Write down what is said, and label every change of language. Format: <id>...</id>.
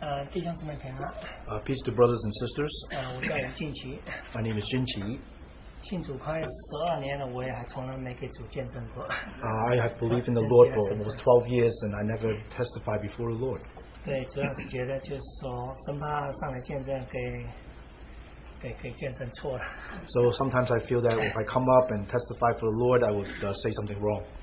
<zh>弟兄姊妹平安。</zh> <en>Peace to brothers and sisters.</en> <zh>我叫林俊奇。</zh> <en>My name is 俊奇。</en> <zh>信主快12年了，我也还从来没给主见证过。</zh> <en>I have believed in the Lord for almost 12 years, and I never testified before the Lord.</en> <zh>对，主要是觉得就是说，生怕上来见证给见证错了。</zh> <en>So sometimes I feel that if I come up and testify for the Lord, I would say something wrong.</en>